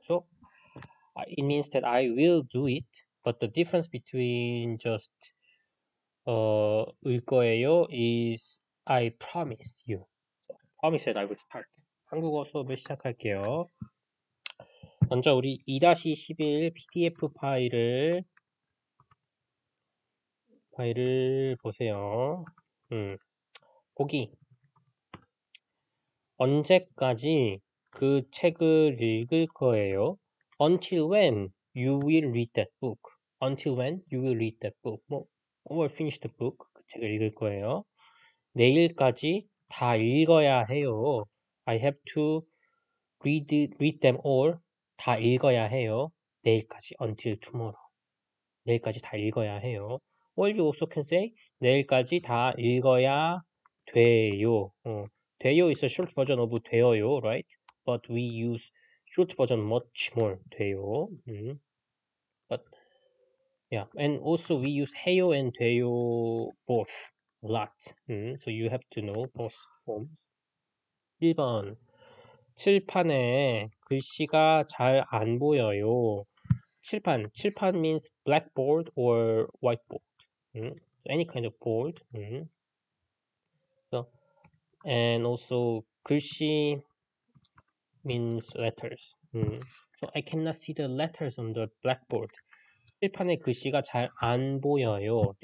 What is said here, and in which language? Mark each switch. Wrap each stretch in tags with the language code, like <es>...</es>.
<en>So it means that I will do it, but the difference between just 을 거예요 is I promise you. So, promise that I will start.</en> <ko>한국어 수업을 시작할게요. 먼저 우리 2-11 PDF 파일을 보세요. 거기 언제까지 그 책을 읽을 거예요?</ko> <en>Until when you will read that book? Until when you will read that book?</en> <ko>뭐,</ko> <en>or finish the book?</en> <ko>그 책을 읽을 거예요. 내일까지 다 읽어야 해요.</ko> <en>I have to read them all.</en> <ko>다 읽어야 해요. 내일까지,</ko> <en>until tomorrow.</en> <ko>내일까지 다 읽어야 해요.</ko> <en>Or you also can say,</en> <ko>내일까지 다 읽어야 돼요.</ko> <en>돼요 is a short version of 되어요, right? But we use short version much more, 돼요. But, yeah. And also we use 해요 and 돼요 both a lot. So you have to know both forms. 1번.</en> <ko>칠판에 글씨가 잘안 보여요.</ko> <en>칠판. 칠판 means blackboard or whiteboard. Any kind of board. And also 글씨 means letters. So I cannot see the letters on the blackboard.</en> <ko>칠판에 글씨가 잘안 보여요.</ko>